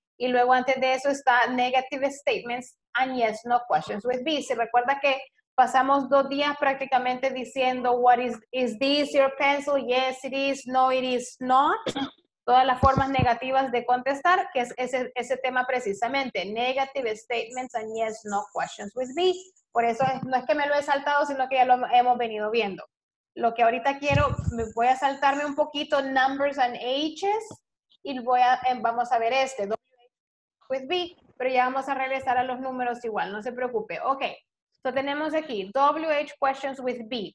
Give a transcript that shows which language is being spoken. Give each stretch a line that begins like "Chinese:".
Spanish: Y luego antes de eso está
English: negative statements and yes, no questions with B.
Spanish: Se recuerda que pasamos dos días prácticamente diciendo
English: what is this your pencil? Yes, it is. No, it is not.
Spanish: Todas las formas negativas de contestar, que es ese tema precisamente.
English: Negative statements and yes, no questions with B.
Spanish: Por eso no es que me lo he saltado, sino que ya lo hemos venido viendo. Lo que ahorita quiero, voy a saltarme un poquito
English: numbers and ages
Spanish: y vamos a ver este,
English: with B,
Spanish: pero ya vamos a regresar a los números igual, no se preocupe.
English: Ok, so
Spanish: tenemos aquí
English: WH questions with B.